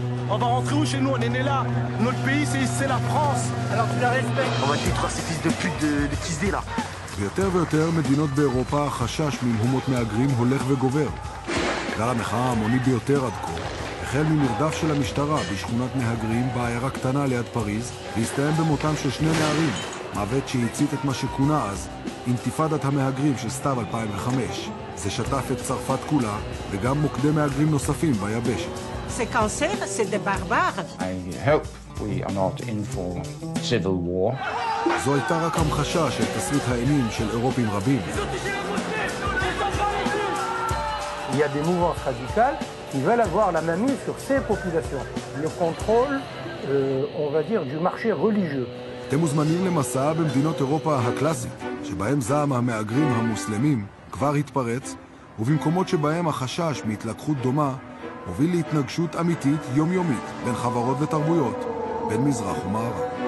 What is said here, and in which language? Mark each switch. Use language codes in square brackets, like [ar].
[fr] On va rentrer où chez nous, on est né là. Notre pays, c'est la France. Alors tu la respectes. On va détruire ces fils de pute de tisés là. [he] ויותר ויותר מדינות באירופה חשש ממהומות מהגרים הולך וגובר. גל המחאה המוני ביותר עד כה החל ממרדף של המשטרה בשכונת מהגרים בעיירה קטנה ליד פריז, והסתיים במותם של שני נערים, מוות שהצית את מה שכונה אז אינתיפדת המהגרים של סתיו 2005. זה שטף את צרפת כולה וגם מוקדי מהגרים נוספים ביבשת. [fr] C'est cancer, c'est des barbares. [en] I hope we are not in for civil war. [he] זו הייתה רק המחשה של תסריט האימים של אירופים רבים. [fr] Il y a des mouvements radicaux qui veulent avoir la main sur ces populations. Le contrôle, on va dire, du marché religieux. [he] אתם מוזמנים למסע במדינות אירופה הקלאסית, שבהם זעם המאגרים המוסלמים כבר התפרץ, ובמקומות שבהם החשש מהתלקחות דומה הוביל להתנגשות אמיתית יומיומית בין חברות ותרבויות, בין מזרח ומערב.